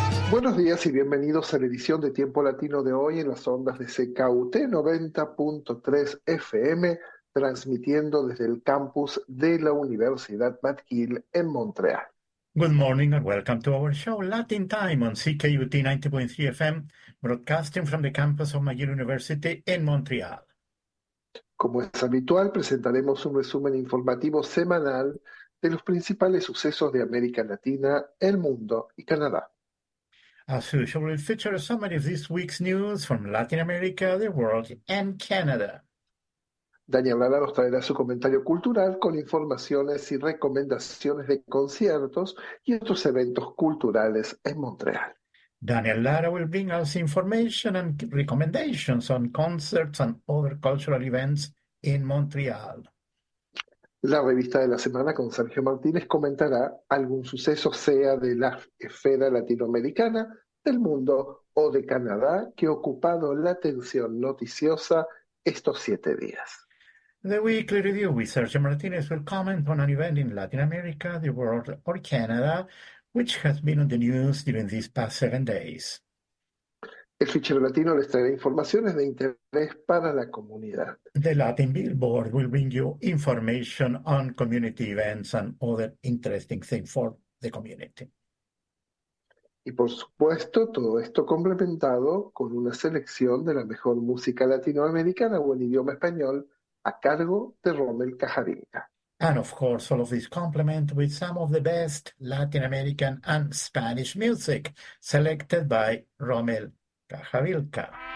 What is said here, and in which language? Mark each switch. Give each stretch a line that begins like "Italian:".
Spanish: Buenos días y bienvenidos a la edición de Tiempo Latino de hoy en las ondas de CKUT 90.3 FM, transmitiendo desde el campus de la Universidad McGill en Montreal.
English: Good morning and welcome to our show Latin Time on CKUT 90.3 FM, broadcasting from the campus of McGill University in Montreal.
Spanish: Como es habitual, presentaremos un resumen informativo semanal de los principales sucesos de América Latina, el mundo y Canadá.
English: As usual, we'll feature a summary of this week's news from Latin America, the world, and Canada.
Spanish: Daniel Lara nos traerá su comentario cultural con informaciones y recomendaciones de conciertos y otros eventos culturales en Montreal.
English: Daniel Lara will bring us information and recommendations on concerts and other cultural events in Montreal.
Spanish: La revista de la semana con Sergio Martínez comentará algún suceso, sea de la esfera latinoamericana, del mundo o de Canadá, que ha ocupado la atención noticiosa estos 7 días.
English: The Weekly Review with Sergio Martínez will comment on an event in Latin America, the world or Canada, which has been on the news during these past 7 days.
Spanish: El fichero latino les traerá informaciones de interés para la comunidad.
English: The Latin Billboard will bring you information on community events and other interesting things for the community.
Spanish: Y por supuesto, todo esto complementado con una selección de la mejor música latinoamericana o en idioma español a cargo de Rommel Cajarinca.
English: And of course, all of this complement with some of the best Latin American and Spanish music selected by Rommel Cajarinca.